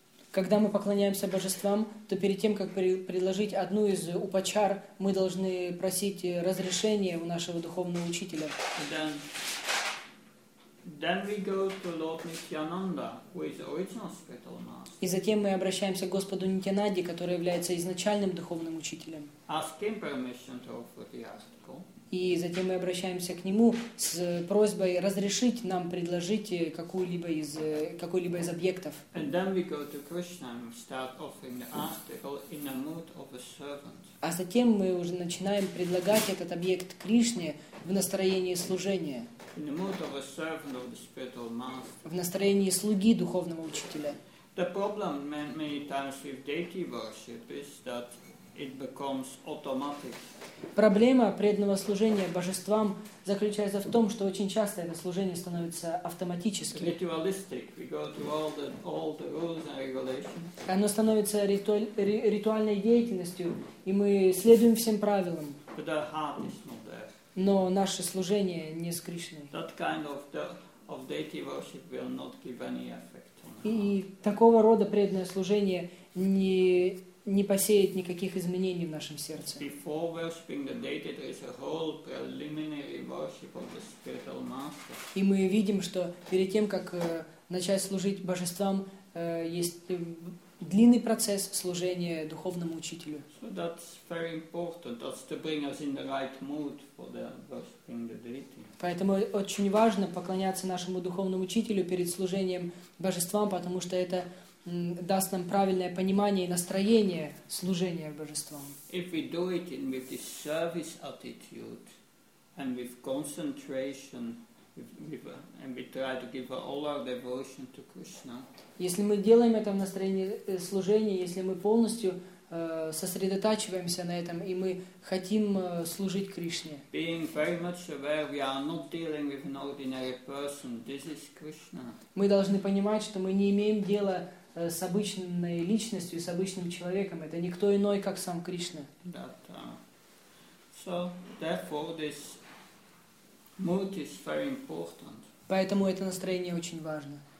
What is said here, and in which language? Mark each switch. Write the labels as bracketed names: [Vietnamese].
[Russian] Когда мы поклоняемся божествам, то перед тем, как предложить одну из упачар, мы должны просить разрешения у нашего духовного учителя. [English] Then we go to Lord Nityananda, who is the original spiritual master. [Russian] И затем мы обращаемся к Господу Нитянанде, который является изначальным духовным учителем. [English] Ask him permission to offer the article. [Russian] И затем мы обращаемся к нему с просьбой разрешить нам предложить какой-либо из объектов. [English] And then we go to Krishna and start offering the article in the mood of a servant. [Russian] А затем мы уже начинаем предлагать этот объект Кришне в настроении служения. [English] In the mood of a servant of the spiritual master. [Russian] В настроении слуги духовного учителя. [English] The problem many times with deity worship is that it becomes automatic. [Russian] Проблема преданного служения божествам заключается в том, что очень часто это служение становится автоматическим. [English] Ritualistic. We go to all the rules and regulations. [Russian] Оно становится ритуальной деятельностью, и мы следуем всем правилам. [English] But our heart is not there. [Russian] Но наше служение не с Кришной. [English] That kind of deity worship will not give any effect. [Russian] И такого рода преданное служение не посеет никаких изменений в нашем сердце. [English] Before worshiping the deity, there is a whole preliminary worship of the spiritual master. [Russian] И мы видим, что перед тем, как начать служить божествам, есть длинный процесс служения духовному учителю. [English] So that's very important. That's to bring us in the right mood for the worshiping the deity. [Russian] Поэтому очень важно поклоняться нашему духовному учителю перед служением божествам, потому что это даст нам правильное понимание и настроение служения божествам. [English] If we do it with this service attitude and with concentration, and we try to give all our devotion to Krishna. [Russian] Если мы делаем это в настроении служения, если мы полностью сосредотачиваемся на этом и мы хотим служить Кришне. [English] Being very much aware we are not dealing with an ordinary person. This is Krishna. [Russian] Мы должны понимать, что мы не имеем дела с обычной личностью, с обычным человеком. Это никто иной, как сам Кришна. [English] That, so, therefore, this mood is very important. [Russian] Поэтому это настроение очень важно.